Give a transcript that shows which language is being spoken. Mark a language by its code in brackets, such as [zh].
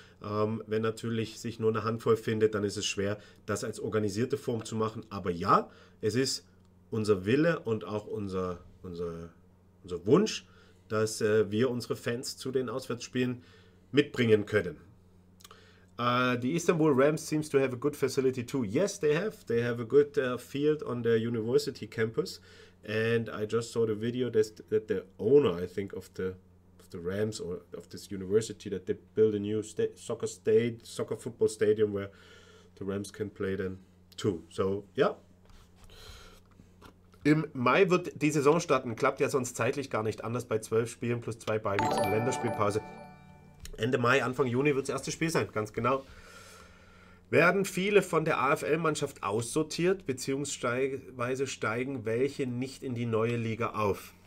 [de] Wenn natürlich sich nur eine Handvoll findet, dann ist es schwer, das als organisierte Form zu machen. Aber ja, es ist unser Wille und auch unser Wunsch, dass wir unsere Fans zu den Auswärtsspielen mitbringen können. [en] The Istanbul Rams seems to have a good facility too. Yes, they have. They have a good field on their university campus. And I just saw the video that the owner, I think, of the Rams or of this university, that they build a new soccer football stadium where the Rams can play then too. So, yeah. [de] Im Mai wird die Saison starten. Klappt ja sonst zeitlich gar nicht anders bei 12 Spielen plus 2 Bye-Weeks und Länderspielpause. Ende Mai, Anfang Juni wird das erste Spiel sein, ganz genau. Werden viele von der AFL-Mannschaft aussortiert, beziehungsweise steigen welche nicht in die neue Liga auf?